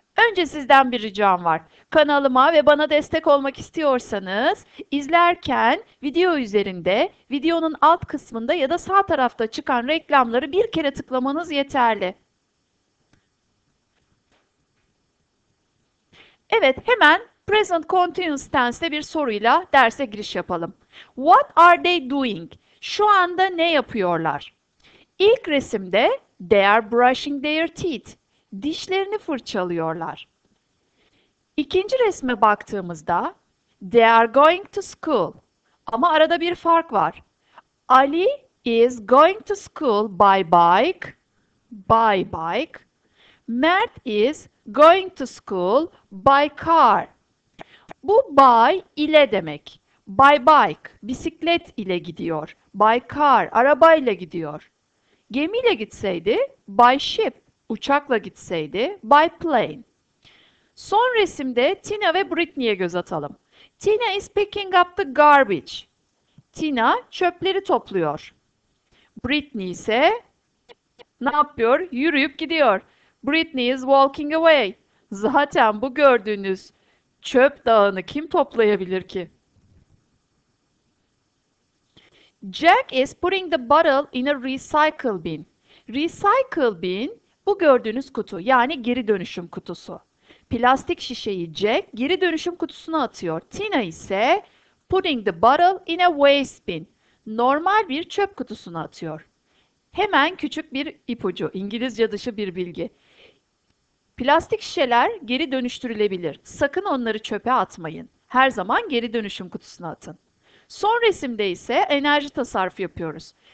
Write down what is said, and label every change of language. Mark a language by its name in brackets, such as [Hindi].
[Turkish] Önce sizden bir ricam var. Kanalıma ve bana destek olmak istiyorsanız izlerken video üzerinde videonun alt kısmında ya da sağ tarafta çıkan reklamları bir kere tıklamanız yeterli. Evet, hemen present continuous tense'te bir soruyla derse giriş yapalım. [English] What are they doing? [Turkish] Şu anda ne yapıyorlar? İlk resimde [English] they are brushing their teeth. [Turkish] Dişlerini fırçalıyorlar. İkinci resme baktığımızda [English] they are going to school. [Turkish] Ama arada bir fark var. [English] Ali is going to school by bike. By bike. Mert is going to school by car. [Turkish] Bu by ile demek. [English] By bike, [Turkish] bisiklet ile gidiyor. By car, arabayla gidiyor. Gemiyle gitseydi [English] by ship. [Turkish] Uçakla gitseydi [English] by plane. [Turkish] Son resimde Tina ve Britney'e göz atalım. [English] Tina is picking up the garbage. [Turkish] Tina çöpleri topluyor. Britney ise ne yapıyor? Yürüyüp gidiyor. [English] Britney is walking away. [Turkish] Zaten bu gördüğünüz çöp dağını kim toplayabilir ki? [English] Jack is putting the bottle in a recycle bin. [Turkish] Recycle bin bu gördüğünüz kutu yani geri dönüşüm kutusu. Plastik şişeyi Jack geri dönüşüm kutusuna atıyor. [English] Tina [Turkish] ise [English] putting the bottle in a waste bin. [Turkish] Normal bir çöp kutusuna atıyor. Hemen küçük bir ipucu, İngilizce dışı bir bilgi. Plastik şişeler geri dönüştürülebilir. Sakın onları çöpe atmayın. Her zaman geri dönüşüm kutusuna atın. Son resimde ise enerji tasarrufu yapıyoruz.